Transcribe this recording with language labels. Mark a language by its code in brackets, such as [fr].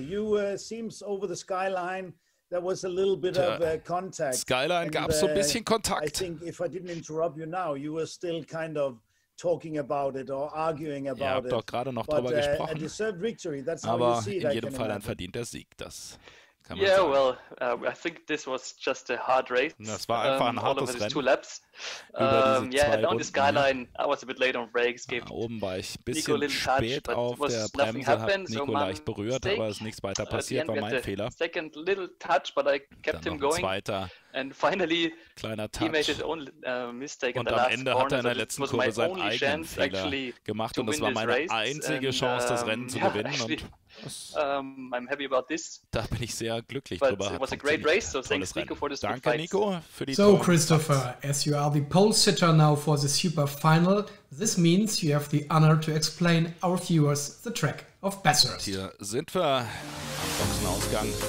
[en] You, seems over the skyline, there was a little bit of contact. [de] Skyline gab es so ein bisschen Kontakt. [en] I think if I didn't interrupt you now, you were still kind of talking about it or arguing about it. [de] Ihr habt doch gerade noch drüber gesprochen. Aber in jedem Fall ein verdienter Sieg, das kann man sagen. [en] Yeah, well, I think this was just a hard race. [de] Das war einfach ein hartes Rennen. [en] Two laps. Down the skyline, I was a bit late on brakes. [de] Oben war ich ein bisschen spät auf der Bremse, hat Nico leicht berührt, aber es ist nichts weiter passiert, war mein Fehler. [en] Second little touch, but I kept him going. And finally, [de] kleiner Touch. [en] He made his own, mistake [de] und [en] in the [de] am [en] last [de] Ende [en] corner, [de] hat er in der letzten so Kurve seinen eigenen Fehler gemacht und das war meine einzige Chance, das Rennen zu gewinnen. [en] I'm happy about this. [de] Da bin ich sehr glücklich drüber. [en] It was a great race, so thanks Nico for this [de] Danke Nico für die [en] So Christopher, as you are the pole sitter now for the super final, this means you have the honor to explain our viewers the track of Bathurst. [de] Hier sind wir. Boxenausgang.